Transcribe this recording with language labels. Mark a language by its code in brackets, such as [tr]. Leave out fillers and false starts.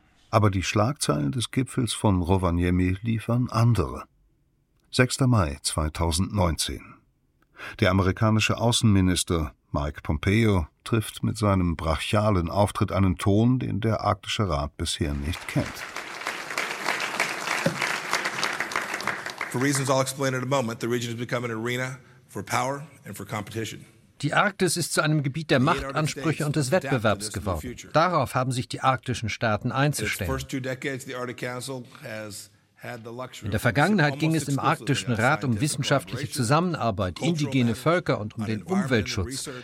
[de] Aber die Schlagzeilen des Gipfels von Rovaniemi liefern andere. 6. Mai 2019. Der amerikanische Außenminister Mike Pompeo trifft mit seinem brachialen Auftritt einen Ton, den der Arktische Rat bisher nicht kennt. [en] For reasons I'll explain in a moment, the region has become an arena for power and for competition. [de] Die Arktis ist zu einem Gebiet der Machtansprüche und des Wettbewerbs geworden. Darauf haben sich die arktischen Staaten einzustellen. In der Vergangenheit ging es im Arktischen Rat um wissenschaftliche Zusammenarbeit, indigene Völker und um den Umweltschutz.